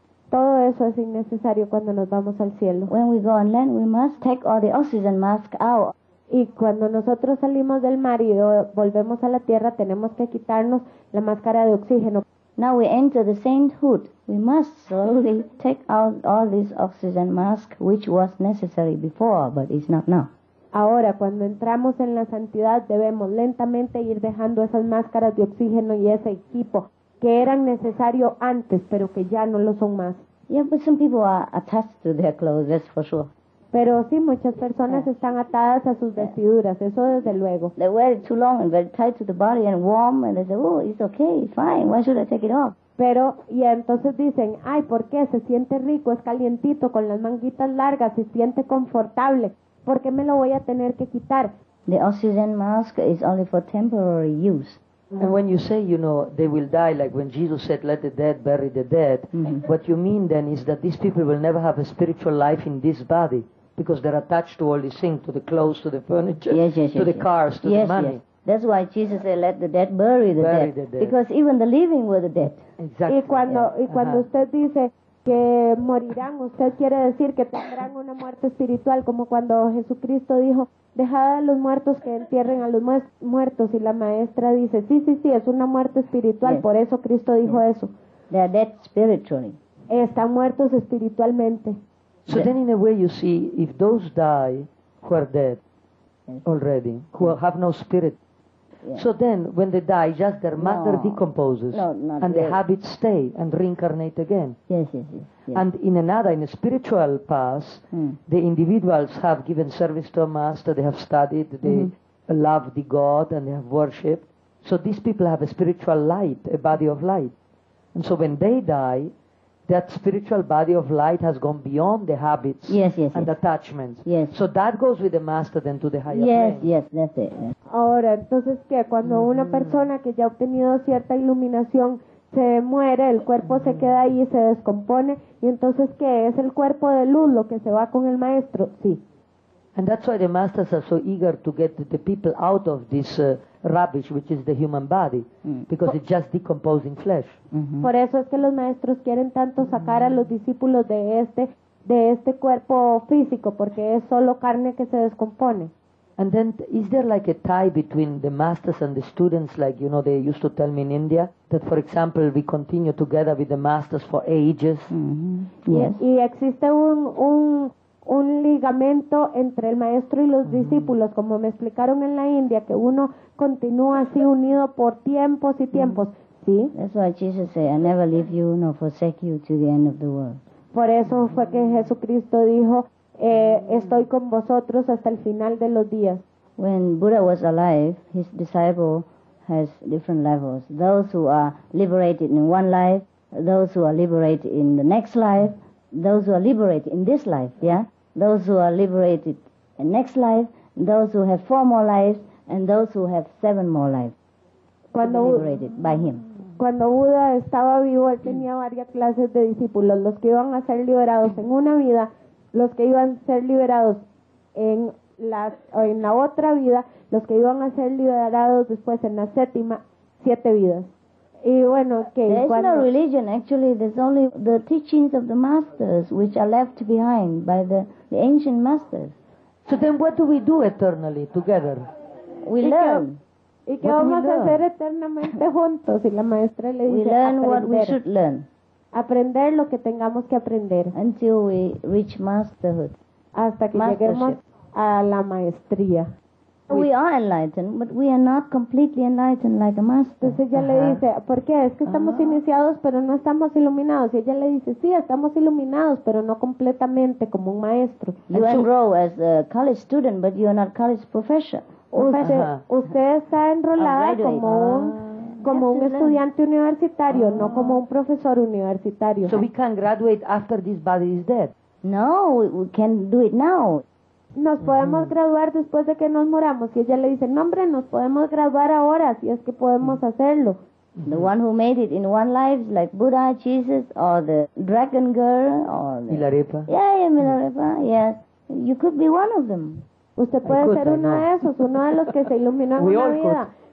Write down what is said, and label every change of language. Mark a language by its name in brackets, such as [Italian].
[Spanish] Todo eso es innecesario cuando nos vamos al cielo. [English] When we go on land, we must take all the oxygen mask out. [Spanish] Y cuando nosotros salimos del mar y volvemos a la tierra, tenemos que quitarnos la máscara de oxígeno. [English] Now we enter the sainthood. We must slowly take out all this oxygen mask, which was necessary before, but it's not now. [Spanish] Ahora, cuando entramos en la santidad, debemos lentamente ir dejando esas máscaras de oxígeno y ese equipo que eran necesario antes, pero que ya no lo son más. [English] Yeah, but some people are attached to their clothes, that's for sure. [Spanish] Pero sí, muchas personas están atadas a sus vestiduras, eso desde luego. [English] They wear it too long and very tight to the body and warm, and they say, oh, it's okay, it's fine, why should I take it off? [Spanish] Pero, y entonces dicen, ay, ¿por qué? Se siente rico, es calientito, con las manguitas largas, se siente confortable. ¿Por qué me lo voy a tener que quitar? [English] The oxygen mask is only for temporary use. And when you say, they will die, like when Jesus said, let the dead bury the dead, what you mean then is that these people will never have a spiritual life in this body, because they're attached to all these things, to the clothes, to the furniture, yes, cars, to the money. Yes. That's why Jesus said, let the dead bury the dead. Because even the living were the dead. Exactly. [Spanish] Y cuando usted dice que morirán, usted quiere decir que tendrán una muerte espiritual, como cuando Jesucristo dijo, dejad a los muertos que entierren a los muertos, y la maestra dice, sí, es una muerte espiritual, por eso Cristo dijo eso. [English] They are dead spiritually. [Spanish] Están muertos espiritualmente. [English] So then in a way you see, if those die who are dead already, who have no spirit, so then when they die, just their matter decomposes and the habits stay and reincarnate again. Yes. And in a spiritual path, the individuals have given service to a master, they have studied, they love the God and they have worshipped. So these people have a spiritual light, a body of light. And so when they die, that spiritual body of light has gone beyond the habits and attachments. Yes. So that goes with the master then to the higher plane. Yes, that's it. [Spanish] Ahora, entonces, ¿qué? Cuando una persona que ya ha obtenido cierta iluminación se muere, el cuerpo se queda ahí, se descompone, y entonces, ¿qué? ¿Es el cuerpo de luz lo que se va con el maestro? Sí. [English] And that's why the masters are so eager to get the people out of this rubbish, which is the human body, because it's just decomposing flesh. Mm-hmm. [Spanish] Por eso es que los maestros quieren tanto sacar a los discípulos de este cuerpo físico, porque es solo carne que se descompone. [English] And then, is there like a tie between the masters and the students, like, they used to tell me in India, that, for example, we continue together with the masters for ages? Mm-hmm. Yes. [Spanish] Y existe un ligamento entre el maestro y los discípulos, como me explicaron en la India, que uno continúa así unido por tiempos y tiempos. ¿Sí? [English] That's why Jesus said, I never leave you nor forsake you to the end of the world. [Spanish] Por eso fue que Jesucristo dijo, estoy con vosotros hasta el final de los días. [English] When Buddha was alive, his disciple has different levels. Those who are liberated in one life, those who are liberated in the next life, those who are liberated in this life, yeah? Those who are liberated in next life, those who have four more lives, and those who have seven more lives. [Spanish] Cuando [English] liberated by him. [Spanish] Cuando Buda estaba vivo, él tenía varias clases de discípulos. Los que iban a ser liberados en una vida, los que iban a ser liberados en la otra vida, los que iban a ser liberados después en la séptima, siete vidas. Y bueno, que [English] there is no religion, actually. There's only the teachings of the masters which are left behind by the ancient masters. So then what do we do eternally together? We learn. [Spanish] ¿Y qué vamos a hacer eternamente juntos? Y la maestra le dice, [English] we learn what we should learn. [Spanish] Aprender lo que tengamos que aprender. [English] Until we reach masterhood. [Spanish] Hasta que lleguemos a la maestría. [English] We are enlightened, but we are not completely enlightened like a master. [Spanish] Entonces ella le dice, ¿por qué? Es que estamos iniciados, pero no estamos iluminados. Y ella le dice, sí, estamos iluminados, pero no completamente como un maestro. [English] You enroll as a college student, but you are not college professor. [Spanish] Usted está enrolada como un estudiante universitario, no como un profesor universitario. [English] So we can graduate after this body is dead. No, we can do it now. [Spanish] Nos podemos graduar después de que nos moramos. Y ella le dice, no hombre, nos podemos graduar ahora, si es que podemos hacerlo. [English] The one who made it in one life, like Buddha, Jesus, or the dragon girl, or the... Milarepa. Yeah, Milarepa, yes. You could be one of them. [Spanish] Usted puede ser uno de esos, uno de los que se iluminó en una vida.